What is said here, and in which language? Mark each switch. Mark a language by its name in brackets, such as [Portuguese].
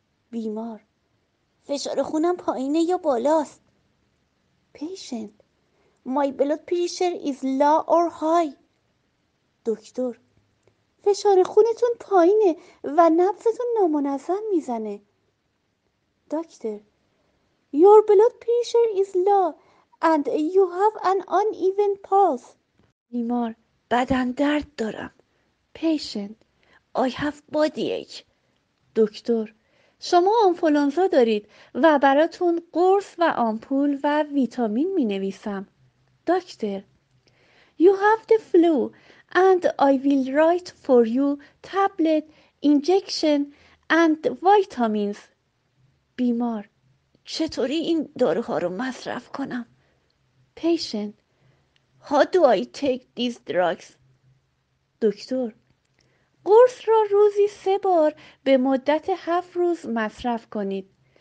[English] بیمار: [Persian] فشار خونم پایینه یا بالاست؟ [English] Patient: My blood pressure is low or high. [Persian] دکتر: فشار خونتون پایینه و نبضتون نامنظم میزنه. [English] دکتر: Your blood pressure is low and you have an uneven pulse. بیمار: [Persian] بدن درد دارم. [English] Patient: I have body ache. [Persian] دکتر: شما آنفولانزا دارید و براتون قرص و آمپول و ویتامین می نویسم. [English] دکتر: You have the flu and I will write for you tablet, injection and vitamins. [Persian] بیمار: چطوری این داروها رو مصرف کنم؟ [English] Patient: How do I take these drugs? [Persian] دکتر: قرص را روزی 3 بار به مدت 7 روز مصرف کنید.